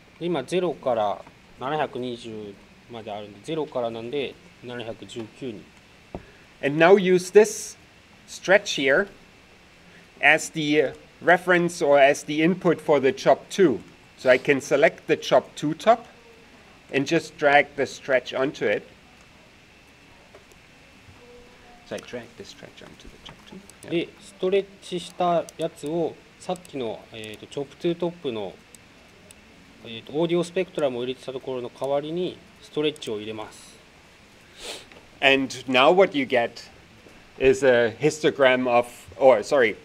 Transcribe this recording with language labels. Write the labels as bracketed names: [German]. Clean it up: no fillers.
[Japanese] 今0から720まであるんで、0からなんで719に。 [English] And now use this stretch here as the reference or as the input for the chop 2. So I can select the chop 2 top and just drag the stretch onto it. So I drag the stretch onto the chop 2. Yeah. [Japanese] で、ストレッチしたやつをさっきの、チョップ2トップの、オーディオスペクトラムを入れてたところの代わりにストレッチを入れます。 [English] And now what you get is a histogram of, or sorry,